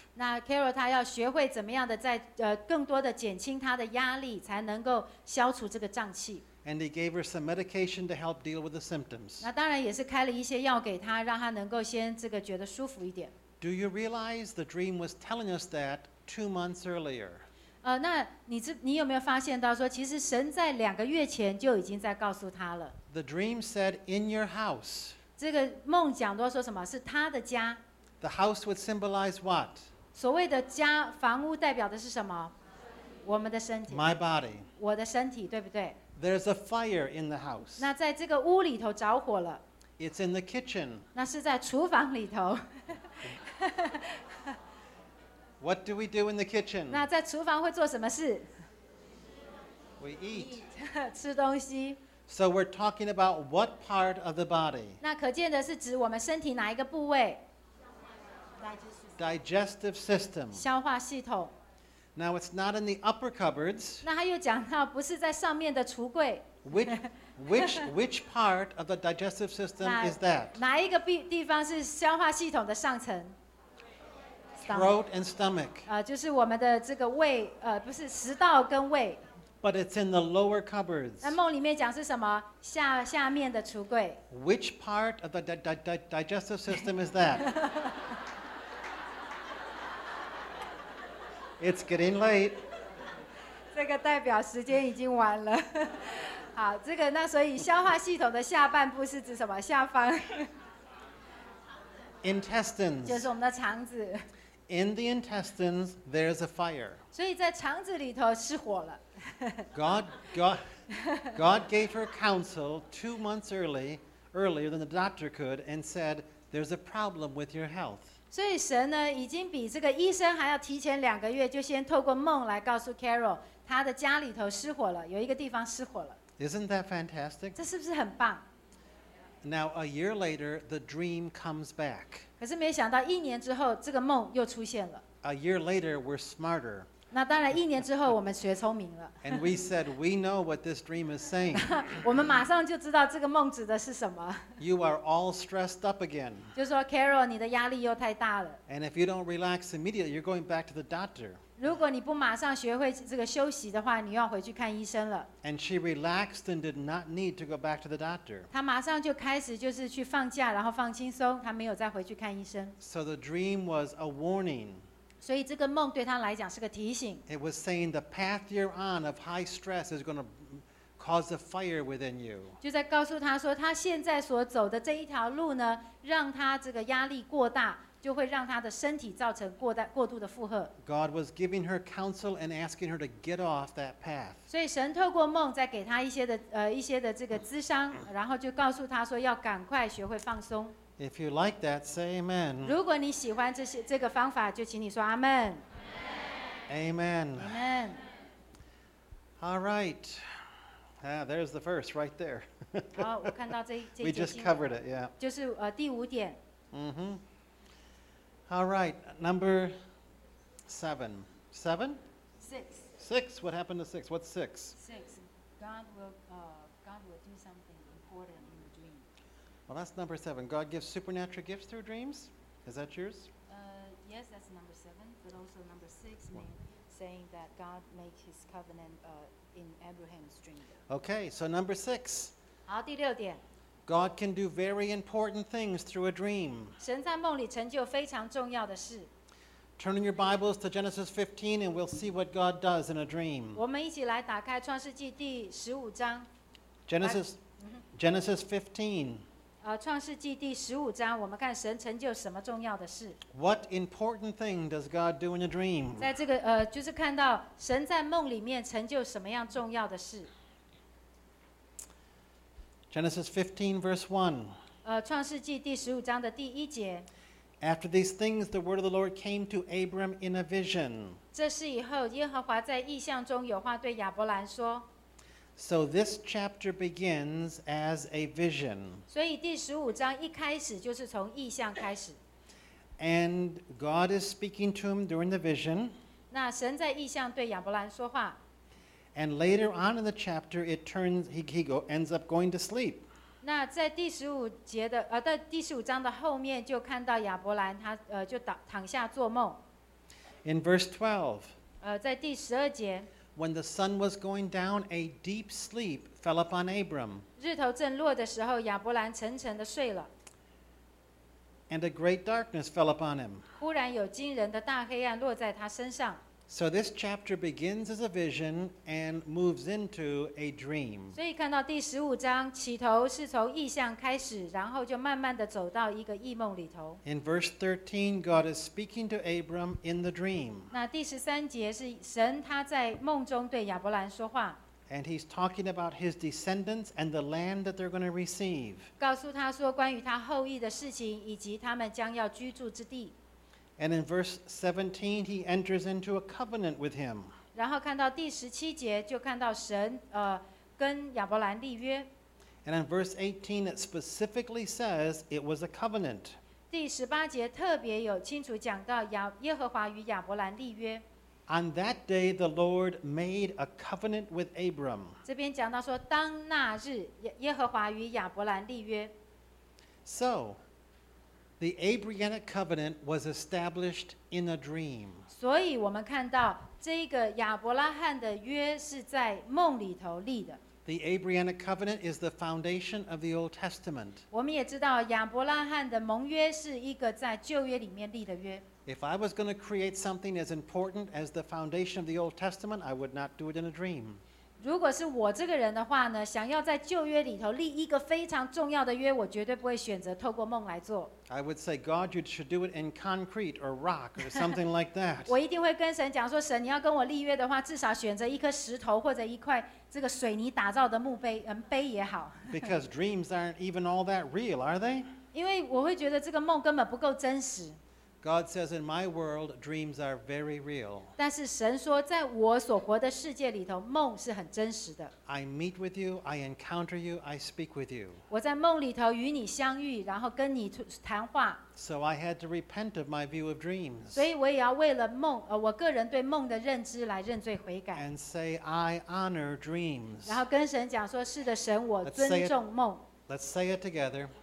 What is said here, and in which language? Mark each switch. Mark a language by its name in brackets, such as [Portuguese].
[Chinese] 那 Carol 她要学会怎么样的在更多的减轻她的压力，才能够消除这个胀气。 [English] And he gave her some medication to help deal with the symptoms. [Chinese] 那当然也是开了一些药给她，让她能够先这个觉得舒服一点。 [English] Do you realize the dream was telling us that 2 months earlier? [Chinese] 那你有没有发现到说，其实神在两个月前就已经在告诉他了。 [English] The dream said in your house. [Chinese] 这个梦讲到说什么？是他的家。 [English] The house would symbolize what? [Chinese] 所谓的家，房屋代表的是什么？我们的身体。 [English] My body. [Chinese] 我的身体，对不对？ [English] There's a fire in the house. [Chinese] 那在这个屋里头着火了。 [English] It's in the kitchen. [Chinese] 那是在厨房里头。 [English] What do we do in the kitchen? [Chinese] 那在厨房会做什么事？ [English] We eat. [Chinese] 吃东西。 [English] So we're talking about what part of the body? [Chinese] 那可见的是指我们身体哪一个部位？ [English] Digestive system. [Chinese] 消化系统。 [English] Now it's not in the upper cupboards. [Chinese] 那他又讲到不是在上面的橱柜。 [English] Which part of the digestive system is that? [Chinese] 哪一个地方是消化系统的上层？ [English] Throat and stomach. [Chinese] 就是我们的这个胃，不是食道跟胃。 [English] But it's in the lower cupboards. [Chinese] 那梦里面讲是什么？下面的橱柜。 [English] Which part of the digestive system is that? It's getting late. [Chinese] 这个代表时间已经完了。好，这个那所以消化系统的下半部是指什么？下方。 [English] Intestines. [Chinese] 就是我们的肠子。 [English] In the intestines, there is a fire. [Chinese] 所以在肠子里头失火了。 [English] God gave her counsel 2 months earlier than the doctor could, and said, "There's a problem with your health." [Chinese] 所以神呢，已经比这个医生还要提前两个月，就先透过梦来告诉 Carol， 她的家里头失火了，有一个地方失火了。 [English] Isn't that fantastic? [Chinese] 这是不是很棒？ [English] Now a year later, the dream comes back. [Chinese] 可是没想到一年之后这个梦又出现了。 [English] A year later, we're smarter. [Chinese] 那当然一年之后我们学聪明了。 [English] And we said, we know what this dream is saying. [Chinese] 我们马上就知道这个梦指的是什么。 [English] You are all stressed up again. [Chinese] 就说 Carol, 你的压力又太大了。 [English] And if you don't relax immediately, you're going back to the doctor. [Chinese] 如果你不马上学会这个休息的话，你又要回去看医生了。 [English] And she relaxed and did not need to go back to the doctor. [Chinese] 她马上就开始就是去放假，然后放轻松，她没有再回去看医生。 [English] So the dream was a warning. [Chinese] 所以这个梦对他来讲是个提醒。 [English] It was saying the path you're on of high stress is going to cause a fire within you. [Chinese] 就在告诉他说，他现在所走的这一条路呢，让他这个压力过大，就会让他的身体造成过度的负荷。 [English] God was giving her counsel and asking her to get off that path. [Chinese] 所以神透过梦在给他一些的这个諮商，然后就告诉他说要赶快学会放松。 [English] If you like that, say amen. [Chinese] 如果你喜欢这个方法，就请你说阿门。 [English] Amen. Amen. All right. There's the verse right there. [Chinese] 好，我看到这。 [English] We just covered it, yeah. [Chinese] 就是第五点。 [English] Mm-hmm. All right, number seven. Seven? Six. Six. What happened to six? What's six? Six. God will do something important. Well, that's number seven. God gives supernatural gifts through dreams. Is that yours? Yes, that's number seven. But also number six, saying that God made his covenant in Abraham's dream. Okay, so number six. [Chinese] 好，第六点。 [English] God can do very important things through a dream. [Chinese] 神在梦里成就非常重要的事。 [English] Turn in your Bibles to Genesis 15, and we'll see what God does in a dream. [Chinese] 我们一起来打开创世纪第十五章。 [English] Genesis 15. [Chinese] 创世纪第十五章，我们看神成就什么重要的事。 [English] What important thing does God do in a dream? [Chinese] 在这个就是看到神在梦里面成就什么样重要的事。 [English] Genesis 15 verse 1. [Chinese] 创世纪第十五章的第一节。 [English] After these things, the word of the Lord came to Abram in a vision. [Chinese] 这事以后，耶和华在异象中有话对亚伯兰说。 [English] So this chapter begins as a vision. [Chinese] 所以第十五章一开始就是从异象开始。 [English] And God is speaking to him during the vision. [Chinese] 那神在异象对亚伯兰说话。 [English] And later on in the chapter, it turns ends up going to sleep. [Chinese] 那在第十五节的在第十五章的后面就看到亚伯兰他就躺下做梦。 [English] In verse 12. [Chinese] 在第十二节。 [English] When the sun was going down, a deep sleep fell upon Abram. [Chinese] 日头正落的时候，亚伯兰沉沉的睡了。 [English] And a great darkness fell upon him. [Chinese] 忽然有惊人的大黑暗落在他身上。 [English] So this chapter begins as a vision and moves into a dream. [Chinese] 所以看到第十五章起头是从异象开始，然后就慢慢的走到一个异梦里头。 [English] In verse 13, God is speaking to Abram in the dream. [Chinese] 那第十三节是神他在梦中对亚伯兰说话。 [English] And he's talking about his descendants and the land that they're going to receive. [Chinese] 告诉他说关于他后裔的事情以及他们将要居住之地。 [English] And in verse 17, he enters into a covenant with him. [Chinese] 然后看到第十七节，就看到神跟亚伯兰立约。 [English] And in verse 18, it specifically says it was a covenant. [Chinese] 第十八节特别有清楚讲到耶和华与亚伯兰立约。 [English] On that day, the Lord made a covenant with Abram. [Chinese] 这边讲到说，当那日耶和华与亚伯兰立约。 [English] So. The Abrahamic covenant was established in a dream. [Chinese] 所以我们看到这个亚伯拉罕的约是在梦里头立的。 [English] The Abrahamic covenant is the foundation of the Old Testament. [Chinese] 我们也知道亚伯拉罕的盟约是一个在旧约里面立的约。 [English] If I was going to create something as important as the foundation of the Old Testament, I would not do it in a dream. [Chinese] 如果是我这个人的话呢，想要在旧约里头立一个非常重要的约，我绝对不会选择透过梦来做。 [English] I would say, God, you should do it in concrete or rock or something like that. [Chinese] 我一定会跟神讲说，神，你要跟我立约的话，至少选择一颗石头或者一块这个水泥打造的墓碑，碑也好。 [English] Because dreams aren't even all that real, are they? [Chinese] 因为我会觉得这个梦根本不够真实。 [English] God says, in my world, dreams are very real. [Chinese] 但是神说，在我所活的世界里头，梦是很真实的。 [English] I meet with you, I encounter you, I speak with you. [Chinese] 我在梦里头与你相遇，然后跟你谈话。 [English] So I had to repent of my view of dreams. [Chinese] 所以我也要为了梦，我个人对梦的认知来认罪悔改。 [English] And say, I honor dreams. [Chinese] 然后跟神讲说，是的，神，我尊重梦。 [English] Let's say it together.